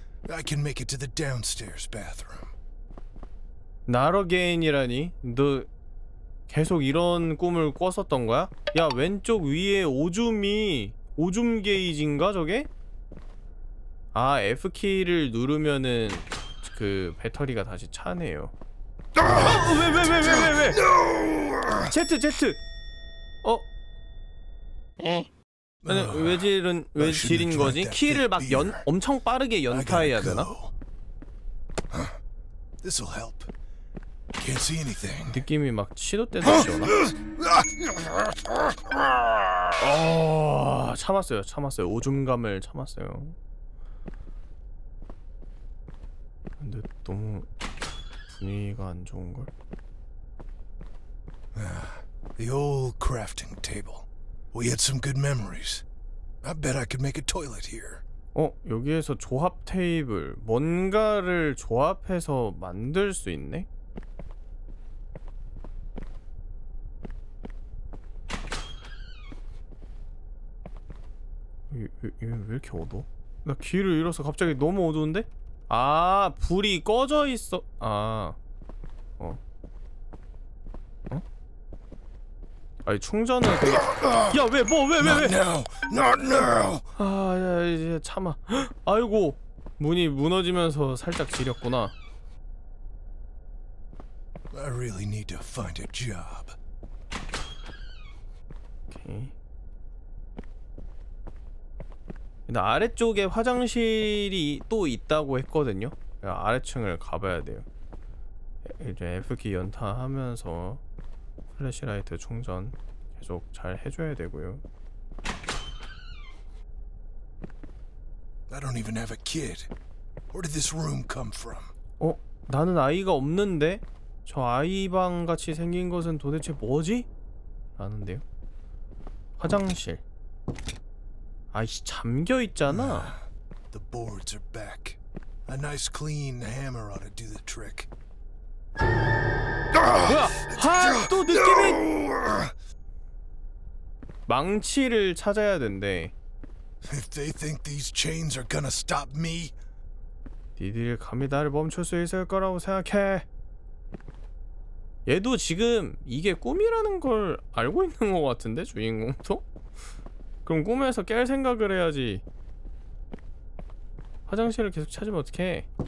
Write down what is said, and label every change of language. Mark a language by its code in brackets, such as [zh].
[en] I can make it to the downstairs bathroom. Not again [ko] 이라니? 너 계속 이런 꿈을 꿨었던 거야? 야, 왼쪽 위에 오줌 게이지인가 저게? 아, F키를 누르면은 그 배터리가 다시 차네요. 아! 왜? [en] No! [ko] Z! 어? 응? 아니, 왜 지린 거지? 키를 막 엄청 빠르게 연타해야 되나? [en] This will help. Can't see anything. [ko] 느낌이 막 시도 때도 지워나? 참았어요. 오줌감을 참았어요. 근데 너무 분위기가 안 좋은 걸. [en] The old crafting table. We had some good memories. I bet I could make a toilet here. [ko] 어, 여기에서 조합 테이블. 뭔가를 조합해서 만들 수 있네. 왜 이렇게 어두워? 나 귀를 잃어서 갑자기 너무 어두운데? 아, 불이 꺼져 있어. 아, 어? 아니, 충전을. 야, 왜, 뭐, 왜, 왜, 왜? [en] Not now. Not now. [ko] 아, 야, 이제 참아. 아이고, 문이 무너지면서 살짝 지렸구나. [en] I really need to find a job. [ko] 오케이. 근데 아래쪽에 화장실이 또 있다고 했거든요. 아래층을 가봐야 돼요. 이제 F키 연타하면서 플래시라이트 충전 계속 잘 해줘야 되고요. [en] I don't even have a kid. Where did this room come from? [ko] 어? 나는 아이가 없는데? 저 아이방 같이 생긴 것은 도대체 뭐지? 라는데요. 화장실. 아이씨 잠겨 있잖아. [en] The boards are back. A nice clean hammer ought to do the trick. [ko] 뭐야? 아, 또 느낌이. 망치를 찾아야 된대. [en] If they think these chains are gonna stop me. [ko] 니들 감히 나를 멈출 수 있을 거라고 생각해? 얘도 지금 이게 꿈이라는 걸 알고 있는 것 같은데 주인공도? 그럼 꿈에서 깰 생각을 해야지. 화장실을 계속 찾으면 어떡해.